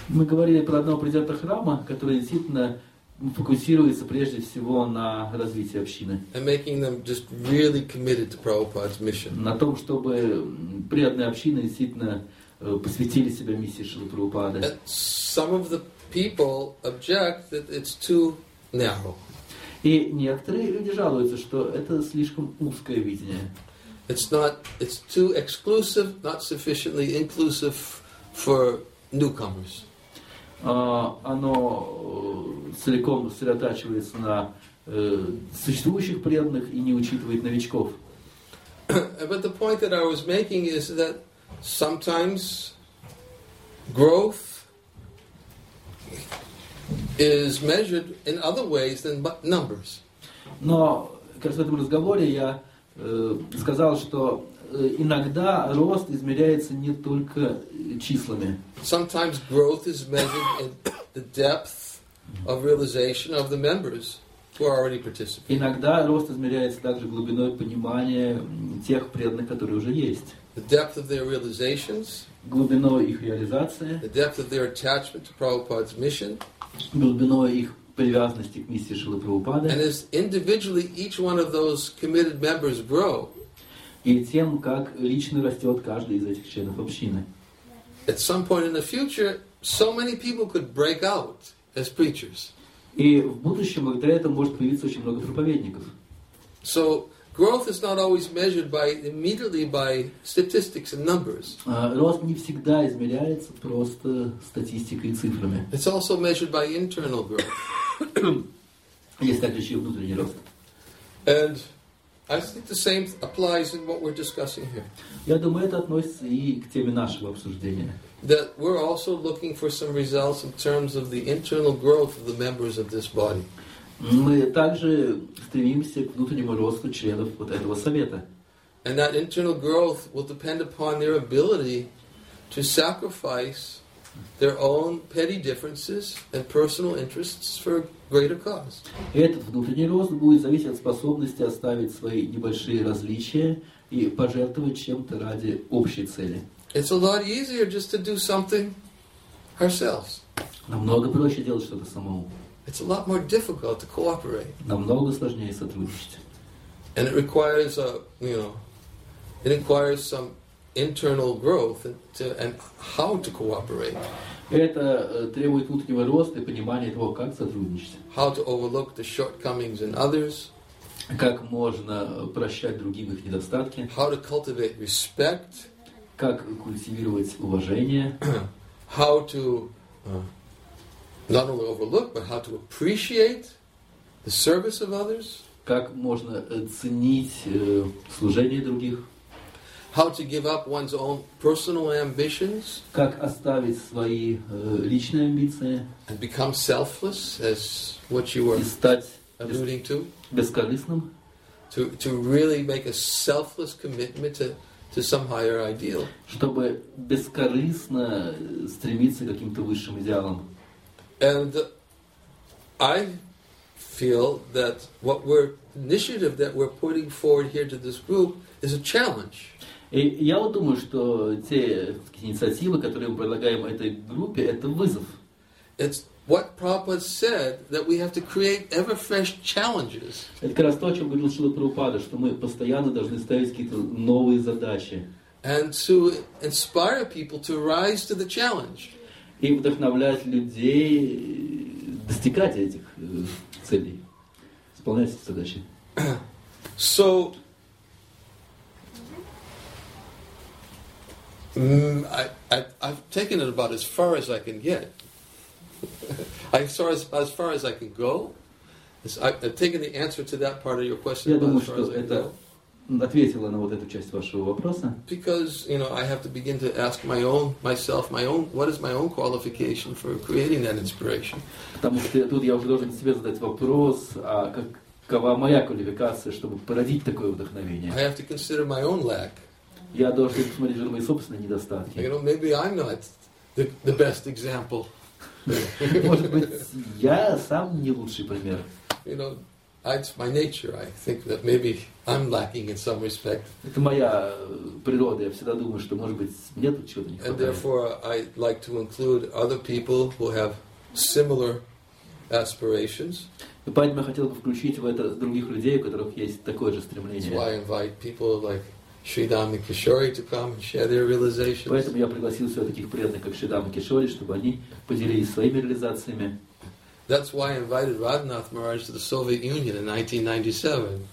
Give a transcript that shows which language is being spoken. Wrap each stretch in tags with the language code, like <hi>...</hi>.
<ru>Мы говорили про одного президента храма, который действительно фокусируется прежде всего на развитии общины.</ru> <en>And making them just really committed to Prabhupada's mission.</en> <ru>На том, чтобы преданные общины действительно посвятили себя миссии Шрилы Прабхупады.</ru> <en>Some of the people object that it's too narrow.</en> <ru>И некоторые люди жалуются, что это слишком узкое видение.</ru> <en>It's too exclusive, not sufficiently inclusive for newcomers.</en> <ru>Оно целиком сосредотачивается на существующих преданных и не учитывает новичков.</ru> <en>But the point that I was making is that sometimes growth is measured in other ways than numbers.</en> <ru>Но, как в этом разговоре я сказал, что иногда рост измеряется не только числами.</ru> <en>Sometimes growth is measured in the depth of realization of the members who are already participating.</en> <ru>Иногда рост измеряется также глубиной понимания тех преданных, которые уже есть.</ru> <en>The depth of their realizations.</en> <ru>Глубиной их реализации.</ru> <en>The depth of their attachment to Prabhupada's mission.</en> <ru>Глубиной их привязанности к миссии Шрилы Прабхупады.</ru> <en>And as individually each one of those committed members grow.</en> <ru>И тем, как лично растет каждый из этих членов общины.</ru> <en>At some point in the future, so many people could break out as preachers.</en> <ru>И в будущем благодаря этому может появиться очень много проповедников.</ru> <en>So growth is not always measured immediately by statistics and numbers.</en> <ru>Рост не всегда измеряется просто статистикой и цифрами.</ru> <en>It's also measured by internal growth.</en> <ru>Есть также еще внутренний рост.</ru> <en>And I think the same applies in what we're discussing here.</en> <ru>Я думаю, это относится и к теме нашего обсуждения.</ru> <en>That we're also looking for some results in terms of the internal growth of the members of this body.</en> <ru>Мы также стремимся к внутреннему росту членов вот этого совета.</ru> <en>And that internal growth will depend upon their ability to sacrifice their own petty differences and personal interests for greater cause.</en> <ru>Этот внутренний рост будет зависеть от способности оставить свои небольшие различия и пожертвовать чем-то ради общей цели.</ru> <en>It's a lot easier just to do something ourselves.</en> <ru>Намного проще делать что-то самому.</ru> <en>It's a lot more difficult to cooperate.</en> <ru>Намного сложнее сотрудничать.</ru> <en>And it requires a, you know, it requires some internal growth and how to cooperate.</en> <ru>Это требует внутреннего роста и понимания того, как сотрудничать.</ru> <en>How to overlook the shortcomings in others.</en> <ru>Как можно прощать другим их недостатки.</ru> <en>How to cultivate respect.</en> <ru>Как культивировать уважение.</ru> <en>How to not only overlook, but how to appreciate the service of others.</en> <ru>Как можно ценить служение других.</ru> <en>How to give up one's own personal ambitions.</en> <ru>Как оставить свои личные амбиции.</ru> <en>And become selfless, as what you were alluding to.</en> <ru>Бескорыстным.</ru> <en>To really make a selfless commitment to some higher ideal.</en> <ru>Чтобы бескорыстно стремиться к каким-то высшим идеалам.</ru> <en>And I feel that what we're initiative that we're putting forward here to this group is a challenge.</en> <ru>И я вот думаю, что те инициативы, которые мы предлагаем этой группе, это вызов.</ru> <en>It's what Prabhupada said, that we have to create ever fresh challenges.</en> <ru>Это как раз то, о чем говорил Шрила Прабхупада, что мы постоянно должны ставить какие-то новые задачи.</ru> <en>And to inspire people to rise to the challenge.</en> <ru>И вдохновлять людей достигать этих целей, исполнять эти задачи.</ru> <en>So, I've taken it about as far as I can get. As far as I can go. I've taken the answer to that part of your question about as far as I can go.</en> <ru>Ответила на вот эту часть вашего вопроса.</ru> <en>Because, you know, I have to begin to ask myself, what is my own qualification for creating that inspiration?</en> <ru>Потому что тут я уже должен себе задать вопрос, а какова моя квалификация, чтобы породить такое вдохновение?</ru> <en>I have to consider my own lack.</en> <ru>Я должен посмотреть на мои собственные недостатки.</ru> <en>You know, maybe I'm not the best example.</en> <ru>Может быть, я сам не лучший пример.</ru> <en>You know, it's my nature. I think that maybe I'm lacking in some respect.</en> <ru>Это моя природа. Я всегда думаю, что, может быть, мне тут чего-то не хватает.</ru> <en>And therefore, I like to include other people who have similar aspirations.</en> <ru>И поэтому я хотел бы включить в это других людей, у которых есть такое же стремление.</ru> <en>That's why I invite people like Shri Dami Kishori to come and share their realizations.</en> <ru>Поэтому я пригласил сюда таких преданных, как Шри Дами Кишори, чтобы они поделились своими реализациями.</ru> <en>That's why I invited Radhanath Maharaj to the Soviet Union in 1997.</en>